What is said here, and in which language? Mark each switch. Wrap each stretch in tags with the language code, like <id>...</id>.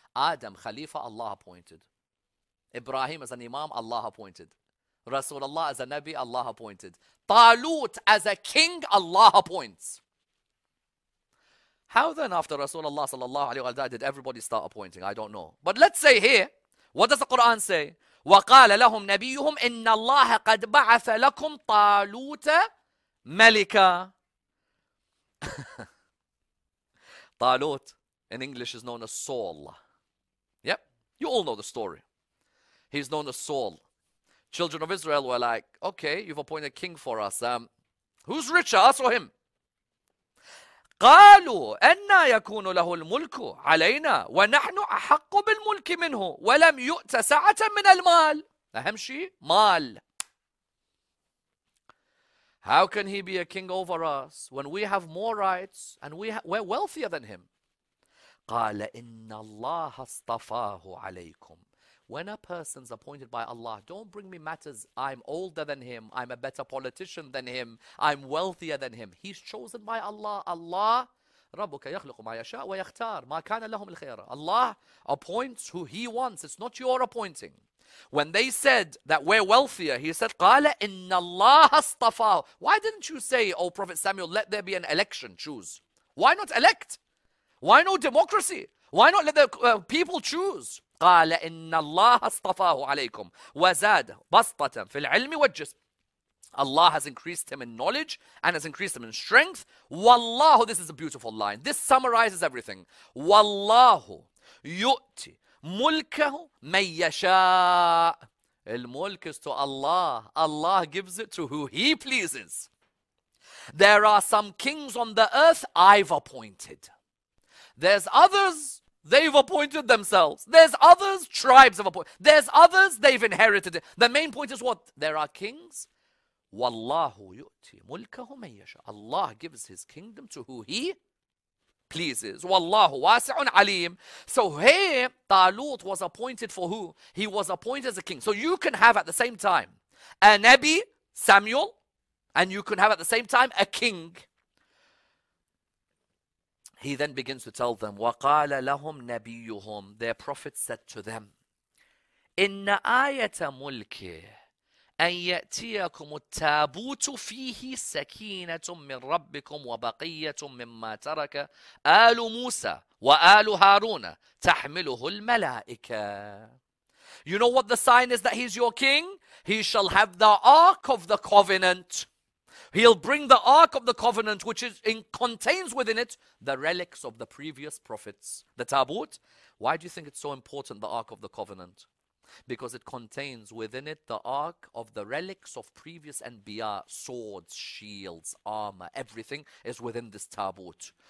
<en>Adam, Khalifa, Allah appointed. Ibrahim as an Imam, Allah appointed. Rasulullah as a Nabi, Allah appointed. Talut as a king, Allah appoints. How then after Rasulullah sallallahu alayhi wa sallam did everybody start appointing? I don't know. But let's say here, what does the Quran say?</en> <ar>وقال لهم نبيهم إن الله قد بعث لكم طالوت ملكا.</ar> <en>طالوت in English is known as Saul. Yep, you all know the story. He's known as Saul. Children of Israel were like, okay, you've appointed a king for us. Who's richer, us or him?</en> <ar>قالوا أن يكون له الملك علينا ونحن أحق بالملك منه ولم يؤت سعة من المال. أهم شيء مال.</ar> <en>How can he be a king over us when we have more rights and we're wealthier than him?</en> <ar>قال إن الله اصطفاه عليكم.</ar> <en>When a person's appointed by Allah, don't bring me matters. I'm older than him. I'm a better politician than him. I'm wealthier than him. He's chosen by Allah.</en> <ar>Allah, ربك يخلق ما يشاء ويختار ما كان لهم الخير.</ar> <en>Allah appoints who he wants. It's not your appointing. When they said that we're wealthier, he said,</en> <ar>قال إن الله اصطفاه.</ar> <en>Why didn't you say, O Prophet Samuel, let there be an election, choose? Why not elect? Why no democracy? Why not let the people choose?</en> <ar>قال إن الله اصطفاه عليكم وزاد بسطة في العلم والجسم.</ar> <en>Allah has increased him in knowledge and has increased him in strength. والله, this is a beautiful line. This summarizes everything.</en> <ar>والله يؤتي ملكه من يشاء.</ar> <en>الملك is to Allah. Allah gives it to who he pleases. There are some kings on the earth I've appointed. There's others, they've appointed themselves. There's others, tribes have appointed. There's others, they've inherited. The main point is what? There are kings.</en> <ar>وَاللَّهُ يُؤْتِي مُلْكَهُ مَنْ يَشَاءُ.</ar> <en>Allah gives his kingdom to who he pleases.</en> <ar>وَاللَّهُ وَاسِعٌ عَلِيمٌ.</ar> <en>So here, Talut was appointed for who? He was appointed as a king. So you can have at the same time a Nabi, Samuel, and you can have at the same time a king. He then begins to tell them,</en> <ar>وَقَالَ لَهُمْ نَبِيُّهُمْ.</ar> <en>Their prophet said to them,</en> <ar>إِنَّ آيَةَ مُلْكِ أَنْ يَأْتِيَكُمُ التَّابُوتُ فِيهِ سَكِينَةٌ مِّن رَبِّكُمْ وَبَقِيَّةٌ مِّمَّا تَرَكَ آلُ مُوسَى وَآلُ هَارُونَ تَحْمِلُهُ الْمَلَائِكَةُ.</ar> <en>You know what the sign is that he's your king? He shall have the Ark of the Covenant. He'll bring the Ark of the Covenant, which is in, contains within it the relics of the previous prophets. The Tabut. Why do you think it's so important, the Ark of the Covenant? Because it contains within it the Ark of the relics of previous Anbiya, swords, shields, armor, everything is within this Tabut.</en>